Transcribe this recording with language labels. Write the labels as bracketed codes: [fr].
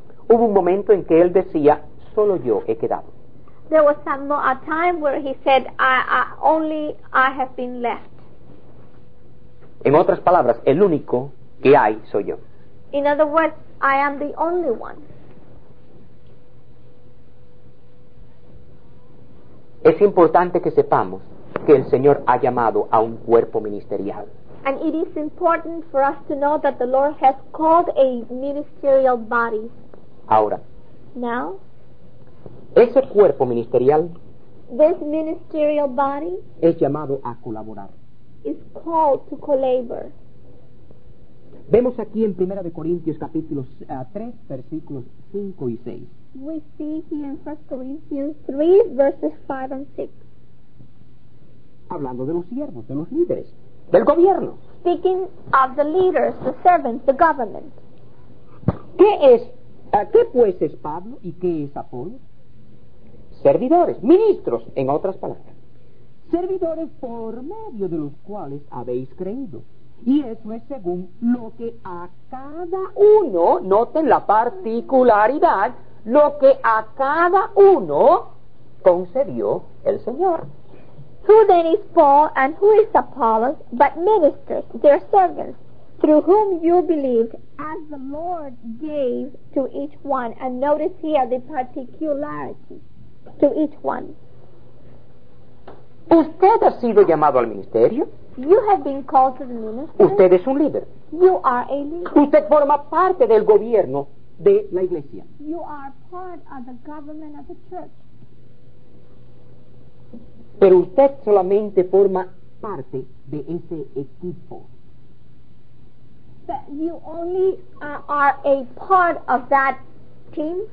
[es] Hubo un momento en que él decía, solo yo he quedado. [en] There was a time where he said, only I have been left. [es] En otras palabras, el único que hay soy yo. [en] In other words, I am the only one. [es] Es importante que sepamos que el Señor ha llamado a un cuerpo ministerial. [en] And it is important for us to know that the Lord has called a ministerial body. [es] Ahora. [en] Now. [es] Ese cuerpo ministerial. [en] This ministerial body. [es] Es llamado a colaborar. [en] Is called to collaborate. [es] Vemos aquí en 1 Corintios capítulo 3, versículos 5 y 6. [en] We see here in 1 Corinthians 3, verses 5 and 6. [es] Hablando de los siervos, de los líderes, del gobierno. [en] Speaking of the leaders, the servants, the government. [es] ¿Qué es, qué pues es Pablo y qué es Apolo? Servidores, ministros, en otras palabras. Servidores por medio de los cuales habéis creído. Y eso es según lo que a cada uno, noten la particularidad, lo que a cada uno concedió el Señor. [en] Who then is Paul and who is Apollos, but ministers, their servants, through whom you believed, as the Lord gave to each one. And notice here the particularity to each one. [es] ¿Usted ha sido llamado al ministerio? [en] You have been called to the ministry. [es] Usted es un líder. [en] You are a leader. [es] Usted forma parte del gobierno de la iglesia. [en] You are part of the government of the church. [es] Pero usted solamente forma parte de ese equipo. [en] But you only are a part of that team.